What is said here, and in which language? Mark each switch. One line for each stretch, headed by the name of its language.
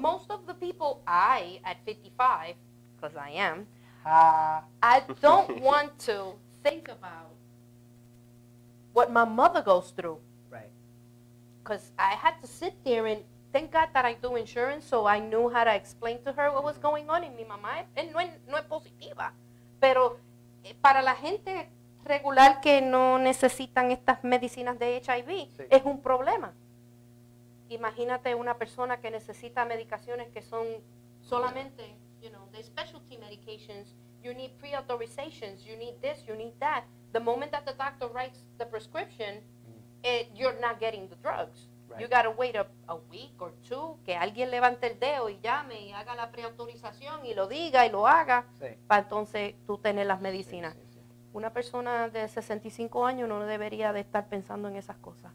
English: Most of the people at 55, because I am, I don't want to think about what my mother goes through. Right. Because I had to sit there and thank God that I do insurance, so I knew how to explain to her what was going on in
Spanish: mi mamá. And no es positiva. Pero para la gente regular que no necesitan estas medicinas de HIV, sí, es un problema. Imagínate una persona que necesita medicaciones que son solamente,
English: you know, the specialty medications. You need pre-authorizations. You need this. You need that. The moment that the doctor writes the prescription, you're not getting the drugs. Right. You gotta wait a week or two.
Spanish: Que alguien levante el dedo y llame y haga la preautorización y lo diga y lo haga. Sí. Para entonces tú tener las medicinas. Sí, sí, sí. Una persona de 65 años no debería de estar pensando en esas cosas.